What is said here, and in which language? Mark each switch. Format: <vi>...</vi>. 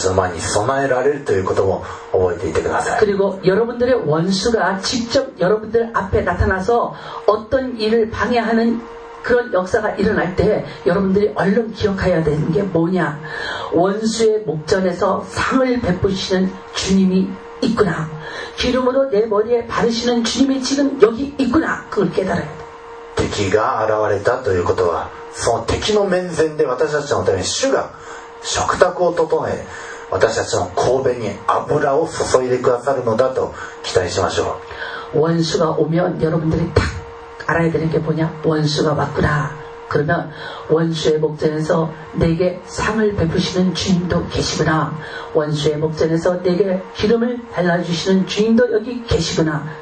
<ja>そして敵が目の前に現れたということはそれをはるかに上回る主の食卓主の宴がですね私たちの前に備えられるということも覚えていてください。</ja> <ko>그리고 여러분들의 원수가 직접 여러분들 앞에 나타나서 어떤 일을 방해하는 그런 역사가 일어날 때 여러분들이 얼른 기억해야 되는 게 뭐냐, 원수의 목전에서 상을 베푸시는 주님이 있구나, 기름으로 내 머리에 바르시는 주님이 지금 여기 있구나, 그걸 깨달아야 돼.</ko> <ja>敵가 現れた</ja> <ko>이것은</ko> <ja>その敵の面前で私たちのために主が 食卓を整え 私たちの神戸に油を注いでくださるのだと期待しましょう。</ja> <ko>원수가 오면 여러분들이 딱 알아야 되는 게 뭐냐? 원수가 왔구나. 그러면 원수의 목전에서 내게 상을 베푸시는 주님도 계시구나. 원수의 목전에서 내게 기름을 발라주시는 주님도 여기 계시구나.</ko>